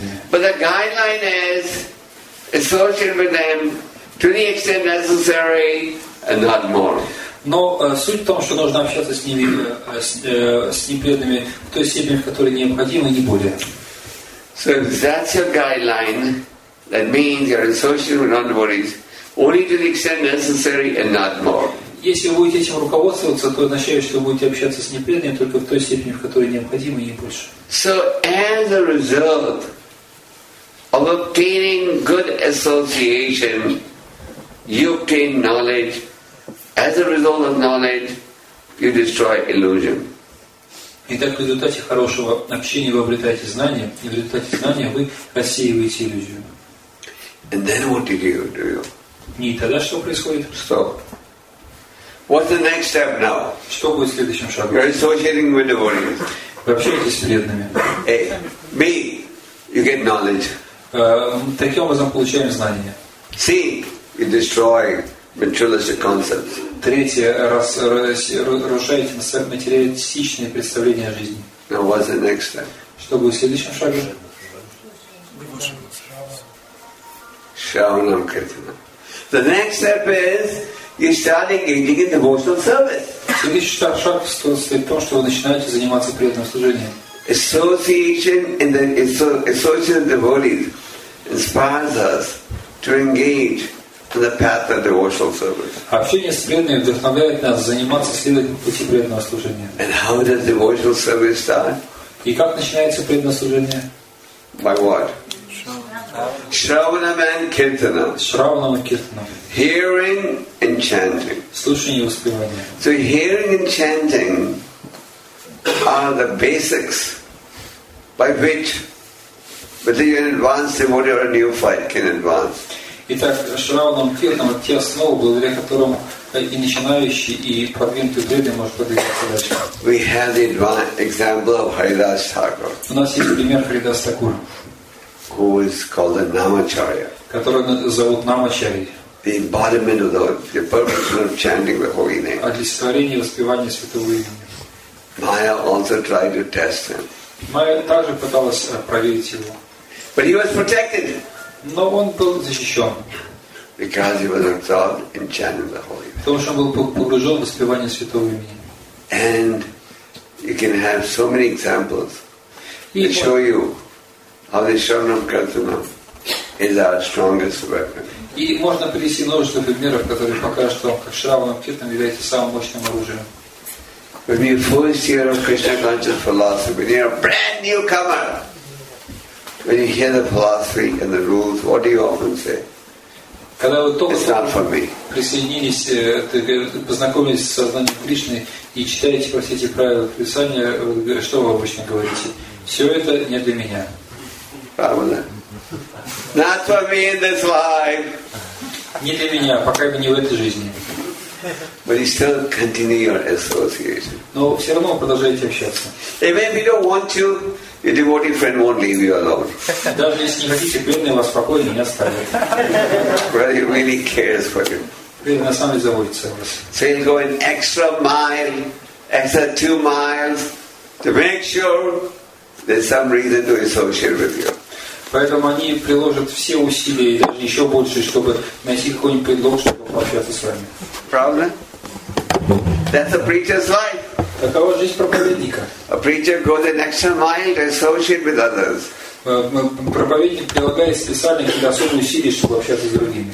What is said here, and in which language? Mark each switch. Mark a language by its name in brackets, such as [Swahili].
[English] But the guideline is associate with them to the extent necessary and not more. [Russian] Но суть в том, что нужно общаться с ними, с непреданными в той степени, в которой необходимо, не более. [English] So if that's your guideline, that means you're associated with non-devotees only to the extent necessary and not more. [Russian] если вы будете этим руководствоваться, то означает, что вы будете общаться с непреданными только в той степени, в которой необходимо, и не больше. [English] So as a result of obtaining good association, you obtain knowledge. As a result of knowledge, you destroy illusion. [Russian] Итак, в результате хорошего общения вы обретаете знания, и в результате знания вы рассеиваете иллюзию. [English] And then what do you do? [Russian] И тогда что происходит? [English] Stop. What's the next step now? [Russian] Что будет следующим шагом? [English] You're associating with devotees. [Russian] Вы общаетесь с преданными. [English] A. B. You get knowledge. [Russian] Таким образом получаем знания. [English] C. You destroy materialistic concepts. [Russian] Третье, разрушаете материалистичные представления о жизни. [English] Now what's the next step? [Russian] Что будет следующим шагом? Шравана Киртана. [English] The next step is you start engaging in devotional service. [Russian] Следующий шаг состоит в том, что вы начинаете заниматься преданным служением. [English] Association in the association of devotees inspires us to engage in the path of devotional service. [Russian] Общение с преданными вдохновляет нас заниматься следующим пути преданного служения. [English] And how does devotional service start? [Russian] И как начинается преданное служение? [English] By what? Shravanam and Kirtana. Shravanam and Kirtana. Hearing and chanting. [Russian] Слушание и воспевание. [English] So hearing and chanting are the basics by which whether you're an advanced devotee or a neophyte can advance. [Russian] Итак, Shravanam Kirtanam те основы, благодаря которым и начинающий, и продвинутый преданный может продвигаться дальше. [English] We have the example of Haridas Thakur. [Russian] У нас есть пример Haridas Thakur. [English] Who is called a Namacharya? [Russian] Которого зовут Намачари. [English] The embodiment of the purpose of chanting the holy name. [Russian] Олицетворение воспевания святого имени. [English] Майя also tried to test him. [Russian] Майя также пыталась проверить его. [English] But he was protected. [Russian] Но он был защищен. [English] Because he was absorbed in chanting the holy name. [Russian] Потому что он был погружен в воспевание святого имени. [English] And you can have so many examples that show you. How the Shravanam Kirtana is our strongest weapon. [Russian] И можно привести множество примеров, которые покажут вам, как Шравнам Киртан является самым мощным оружием. [English] When you first hear of Krishna conscious philosophy, when you're a brand newcomer, when you hear the philosophy and the rules, what do you often say? [Russian] Когда вы только [English] It's not for me. [Russian] Присоединились, познакомились с сознанием Кришны и читаете про все эти правила писания, что вы обычно говорите? Все это не для меня. [English] Not for me in this life. [Russian] Не для меня, пока бы не в этой жизни. [English] But you still continue your association. [Russian] Но все равно продолжаете общаться. [English] Even if you don't want to, your devotee friend won't leave you alone. [Russian] Даже если не хотите, преданный вас спокойно не оставит. [English] Well, he really cares for you. [Russian] Преданный сам заботится о вас. [English] So he'll go an extra mile, extra 2 miles, to make sure. There's some reason to associate with you. [Russian] Поэтому они приложат все усилия, и даже еще больше, чтобы найти какой-нибудь предлог, чтобы пообщаться с вами. Правда? [English] That's a preacher's life. [Russian] Такова жизнь проповедника. [English] A preacher goes an extra mile to associate with others. [Russian] Проповедник прилагает специальные особые усилия, чтобы общаться с другими.